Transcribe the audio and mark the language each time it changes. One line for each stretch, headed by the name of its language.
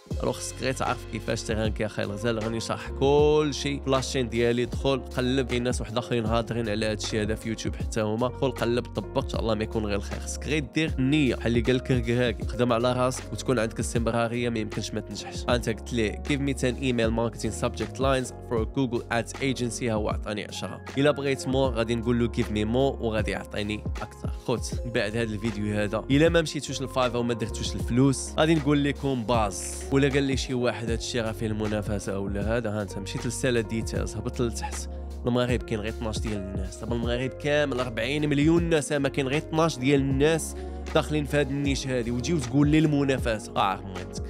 Arabic: روح خصك غير تعرف كيفاش تيرانكي اخاي الغزال، راني شرح كل شيء في لاشين ديالي. دخل قلب، كاين ناس واحد اخرين هادرين على هذا الشيء هذا في يوتيوب حتى هما، دخل قلب طبق ان شاء الله ما يكون غير الخير. خصك غير دير النيه بحال اللي قال لك كركراكي، خدم على راسك وتكون عندك الاستمراريه ما يمكنش ما تنجحش. انت قلت لي
English: give me 10 email marketing subject lines for a Google Ads agency،
Arabic: هو عطاني 10. الا بغيت مور غادي نقول له
English: give me more
Arabic: وغادي يعطيني اكثر. خوت بعد هذا الفيديو هذا، الا ما مشيتوش للفايفا وما درتوش الفلوس غادي نقول لكم باز، ولا قال لي شي واحد هذا الشيء راه فيه المنافسه ولا هذا. ها انت مشيت للسالة ديتيلز، هبط لتحت. المغرب كاين غير 12 ديال الناس، دابا المغرب كامل 40 مليون ناس، ما كاين غير 12 ديال الناس داخلين في هذا النيش هذه، وتجي وتقول لي المنافسه اه مهمت.